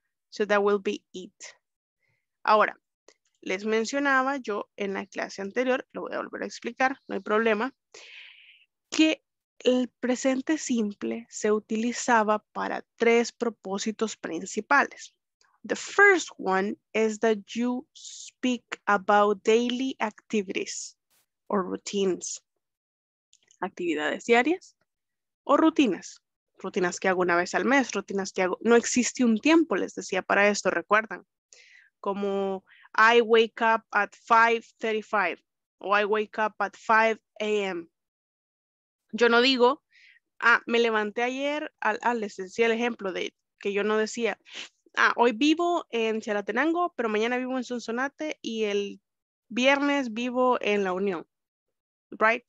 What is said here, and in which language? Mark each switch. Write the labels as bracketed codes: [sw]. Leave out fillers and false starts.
[en] So that will be it. [es] Ahora, les mencionaba yo en la clase anterior, lo voy a volver a explicar, no hay problema, que el presente simple se utilizaba para tres propósitos principales. [en] The first one is that you speak about daily activities or routines. [es] Actividades diarias o rutinas. Rutinas que hago una vez al mes, rutinas que hago. No existe un tiempo, les decía, para esto, recuerdan. [en] Como I wake up at 5:35 o I wake up at 5 a.m. [es] Yo no digo, me levanté ayer, les decía el ejemplo de que yo no decía, hoy vivo en Chalatenango, pero mañana vivo en Sonsonate y el viernes vivo en La Unión. Right?